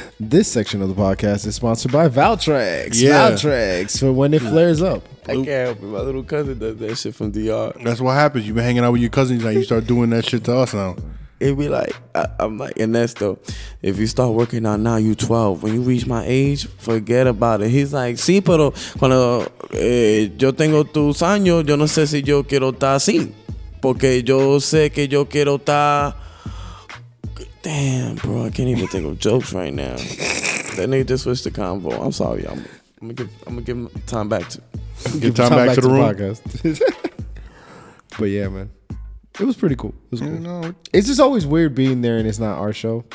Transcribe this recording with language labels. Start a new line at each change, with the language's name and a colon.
English: This section of the podcast is sponsored by Valtrex. Yeah. Valtrex for when it flares up. I can't help it. My little cousin does that shit from DR. That's what happens. You've been hanging out with your cousins now. You start doing that shit to us now. It'd be like, I'm like, Ernesto, if you start working out now, you 12. When you reach my age, forget about it. He's like,
Spanish: sí, pero cuando yo tengo tus años, yo no sé si yo quiero estar así. Porque yo sé que yo quiero estar...
English: Damn, bro, I can't even think of jokes right now. That nigga just switched the convo. I'm sorry, y'all. I'm gonna give time back to... Give time back to the podcast. But yeah, man. It was pretty cool. It was cool. You know, it's just always weird being there and it's not our show.